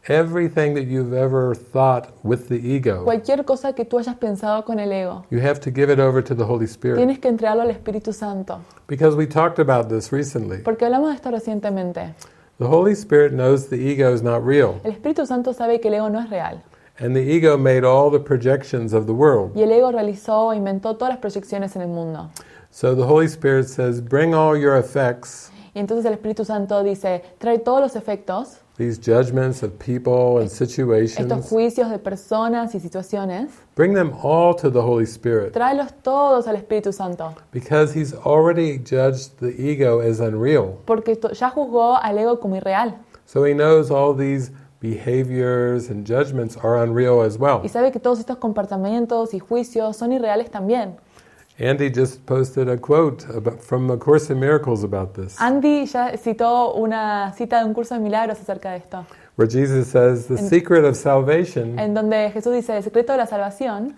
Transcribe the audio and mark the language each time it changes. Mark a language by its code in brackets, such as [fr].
[en] everything that you've ever thought with the ego, [es] cualquier cosa que tú hayas pensado con el ego, [en] you have to give it over to the Holy Spirit, [es] tienes que entregarlo al Espíritu Santo, [en] because we talked about this recently, [es] porque hablamos de esto recientemente. [en] The Holy Spirit knows the ego is not real. [es] El Espíritu Santo sabe que el ego no es real. [en] And the ego made all the projections of the world. [es] Y el ego realizó e inventó todas las proyecciones en el mundo. [en] So the Holy Spirit says, bring all your effects. [es] Y entonces el Espíritu Santo dice, trae todos los efectos. [en] These judgments of people and situations. [es] Estos juicios de personas y situaciones. [en] Bring them all to the Holy Spirit. [es] Tráelos todos al Espíritu Santo. [en] Because he's already judged the ego as unreal. [es] Porque ya juzgó al ego como irreal. [en] So he knows all these behaviors and judgments are unreal as well. [es] Y sabe que todos estos comportamientos y juicios son irreales también. [en] Andy just posted a quote from A Course in Miracles about this. [es] Andy ya citó una cita de un curso de milagros acerca de esto. [en] Where Jesus says the secret of salvation. [es] En donde Jesús dice el secreto de la salvación.